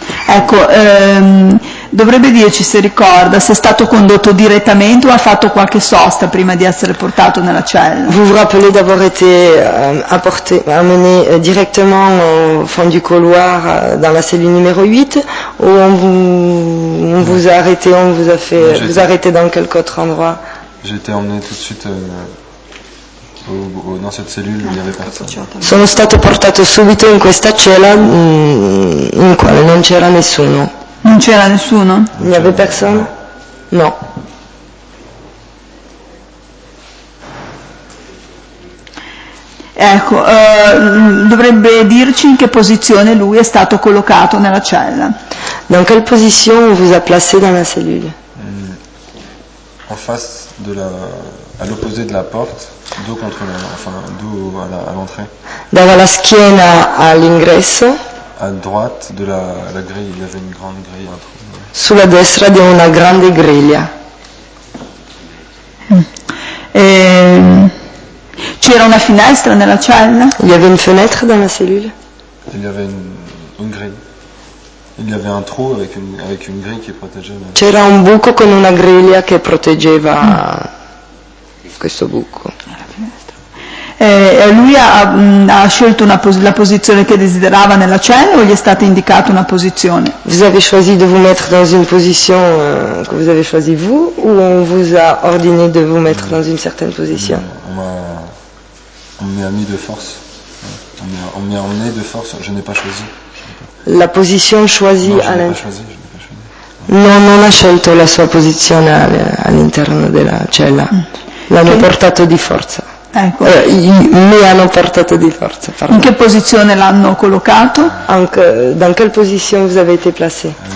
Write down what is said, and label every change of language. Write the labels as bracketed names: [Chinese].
[Italian] Ecco, dovrebbe dirci se ricorda se è stato condotto direttamente o ha fatto qualche sosta prima di essere portato nella cella. [French] Vous vous rappelez d'avoir été amené directement au fond du couloir dans la cellule numéro 8 ou on vous a arrêté, on vous a fait vous arrêter dans quelque autre endroit? J'ai été emmené tout de suite dans cette cellule où il y avait personne. [Italian] Sono stato portato subito in questa cella in quale non c'era nessuno. Non c'era nessuno? Non c'era nessuno? No. Ecco, dovrebbe dirci in che posizione lui è stato collocato nella cella. In quale posizione [French] vous a placé dans la cellule? En face de la, à l'opposé de la porte, dos contre la, enfin, dos à l'entrée. Dans la [Italian] schiena all'ingresso. [French] À droite de la grille, il y avait une grande grille. [Italian] Sulla destra di una grande griglia. C'era una finestra nella cella? [French] Il y avait une fenêtre dans la cellule. Il y avait une grille. Il y avait un trou avec une grille qui protégeait. [Italian] C'era un buco con una griglia che proteggeva questo buco. Lui ha scelto la posizione che desiderava nella cella o gli è stata indicata una posizione? [French] Vous avez choisi de vous mettre dans une position que vous avez choisi vous ou on vous a ordonné de vous mettre dans une certaine position? On m'a mis de force. On m'a emmené de force, je n'ai pas choisi. La position choisie non, je n'ai pas choisi. [Italian] Non ha scelto la sua posizione all'interno della cella. L'hanno portato di forza. Ecco. Mi hanno portato di forza. Pardon. In che posizione l'hanno collocato? In quale posizione [French] vous avez été placé?